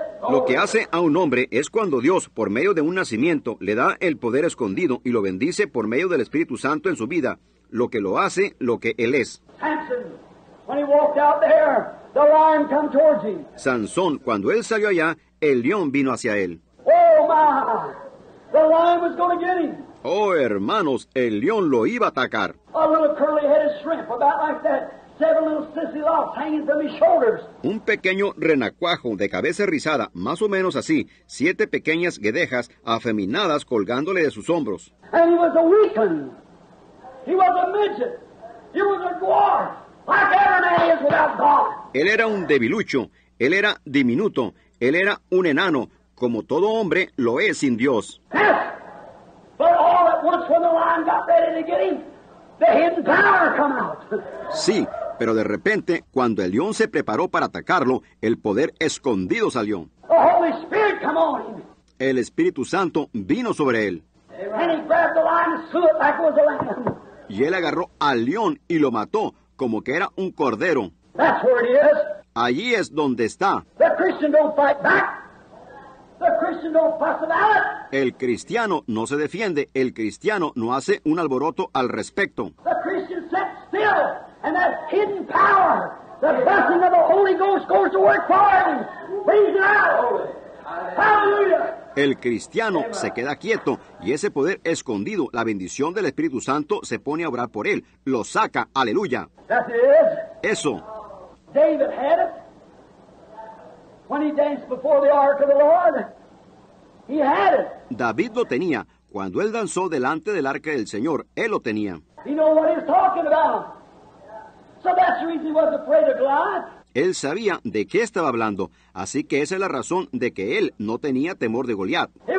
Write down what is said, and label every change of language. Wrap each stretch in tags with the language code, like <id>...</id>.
<es>Lo que hace a un hombre es cuando Dios, por medio de un nacimiento, le da el poder escondido y lo bendice por medio del Espíritu Santo en su vida, lo que lo hace lo que él es.</es> <en>Samson, when he walked out there, the lion come towards him.</en> <es>Sansón, cuando él salió allá, el león vino hacia él.</es> <en>Oh, my! The lion was going to get him.</en> <es>Oh, hermanos, el león lo iba a atacar.</es> <en>A little curly-headed shrimp, about like that, seven little sissy locks hanging from his shoulders.</en> <es>Un pequeño renacuajo de cabeza rizada, más o menos así, siete pequeñas guedejas afeminadas colgándole de sus hombros.</es> <en>And he was a weakling. He was a midget. He was a dwarf, like every man is without God.</en> <es>Él era un debilucho. Él era diminuto. Él era un enano, como todo hombre lo es sin Dios.</es> <en>Yes. But all at once when the lion got ready to get him, the hidden power come out.</en> <es>Sí, pero de repente, cuando el león se preparó para atacarlo, el poder escondido salió.</es> <en>The Holy Spirit come on him.</en> <es>El Espíritu Santo vino sobre él.</es> <en>And he grabbed the lion and slew it like it was a lamb.</en> <es>Y él agarró al león y lo mató como que era un cordero.</es> <en>That's where it is.</en> <es>Allí es donde está.</es> <en>The Christian don't fight back. The Christian don't fuss about it.</en> <es>El cristiano no se defiende. El cristiano no hace un alboroto al respecto.</es> <en>The Christian sits still, and that hidden power, the blessing of the Holy Ghost, goes to work for him. Praise the Lord. Hallelujah.</en> <es>El cristiano se queda quieto y ese poder escondido, la bendición del Espíritu Santo, se pone a obrar por él. Lo saca. ¡Aleluya! Eso.</es> <en>David had it. When he danced before the ark of the Lord, he had it.</en> <es>David lo tenía. Cuando él danzó delante del arca del Señor, él lo tenía.</es> <en>He knew what he was talking about. So that's the reason he wasn't afraid of God.</en> <es>Él sabía de qué estaba hablando, así que esa es la razón de que él no tenía temor de Goliat.</es>